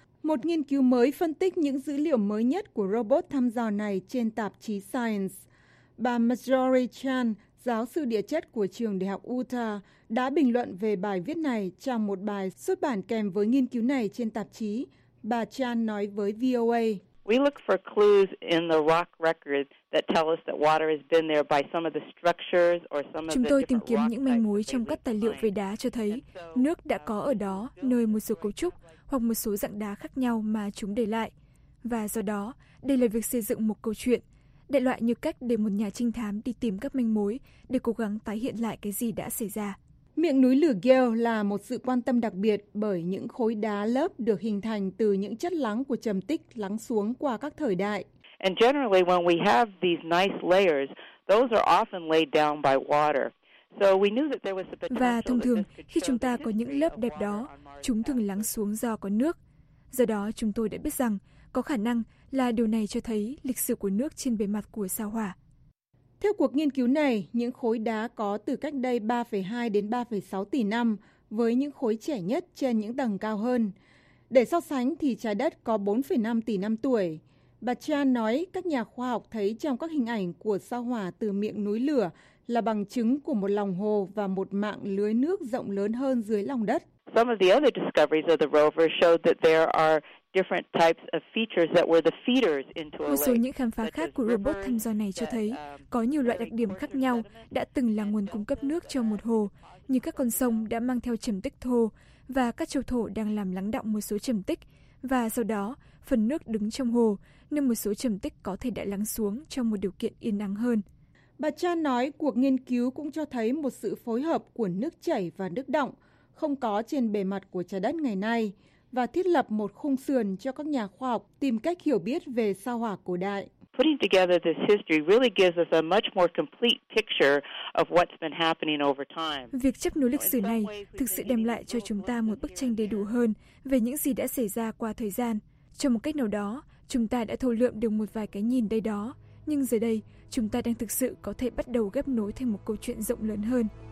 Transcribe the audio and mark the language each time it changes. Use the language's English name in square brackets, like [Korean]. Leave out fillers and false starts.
[Vietnamese] Một nghiên cứu mới phân tích những dữ liệu mới nhất của robot thăm dò này trên tạp chí Science. Bà Marjorie Chan, giáo sư địa chất của trường Đại học Utah, đã bình luận về bài viết này trong một bài xuất bản kèm với nghiên cứu này trên tạp chí Bà Chan nói với VOA. [English] We look for clues in the rock records that tell us that water has been there by some of the structures or some of the. [Vietnamese] Chúng tôi tìm kiếm những manh mối trong các tài liệu về đá cho thấy nước đã có ở đó nơi một số cấu trúc hoặc một số dạng đá khác nhau mà chúng để lại. Và do đó, đây là việc xây dựng một câu chuyện, đại loại như cách để một nhà trinh thám đi tìm các manh mối để cố gắng tái hiện lại cái gì đã xảy ra. Miệng núi lửa Gale là một sự quan tâm đặc biệt bởi những khối đá lớp được hình thành từ những chất lắng của trầm tích lắng xuống qua các thời đại. [English] And generally when we have these nice layers, those are often laid down by water. So we knew that there was a potential. [Vietnamese] Và thông thường khi chúng ta có những lớp đẹp đó, chúng thường lắng xuống do có nước. Do đó chúng tôi đã biết rằng có khả năng là điều này cho thấy lịch sử của nước trên bề mặt của sao Hỏa. Theo cuộc nghiên cứu này, những khối đá có từ cách đây 3,2 đến 3,6 tỷ năm với những khối trẻ nhất trên những tầng cao hơn. Để so sánh thì trái đất có 4,5 tỷ năm tuổi. Bà Chan nói các nhà khoa học thấy trong các hình ảnh của sao Hỏa từ miệng núi lửa là bằng chứng của một lòng hồ và một mạng lưới nước rộng lớn hơn dưới lòng đất. [English] Some of the other discoveries of the rover showed that there are different types of features that were the feeders into a lake. [Vietnamese] Một số những khám phá khác của robot thăm dò này cho thấy có nhiều loại đặc điểm khác nhau đã từng là nguồn cung cấp nước cho một hồ, như các con sông đã mang theo trầm tích thô và các châu thổ đang làm lắng đọng một số trầm tích, và sau đó phần nước đứng trong hồ nên một số trầm tích có thể đã lắng xuống trong một điều kiện yên ắng hơn. Bà Chan nói cuộc nghiên cứu cũng cho thấy một sự phối hợp của nước chảy và nước đọng không có trên bề mặt của trái đất ngày nay và thiết lập một khung sườn cho các nhà khoa học tìm cách hiểu biết về sao Hỏa cổ đại. [English] Putting together this history really gives us a much more complete picture of what's been happening over time. [Vietnamese] Việc chấp nối lịch sử này thực sự đem lại cho chúng ta một bức tranh đầy đủ hơn về những gì đã xảy ra qua thời gian. Trong một cách nào đó, chúng ta đã thu lượm được một vài cái nhìn đây đó, nhưng giờ đây, chúng ta đang thực sự có thể bắt đầu ghép nối thành một câu chuyện rộng lớn hơn.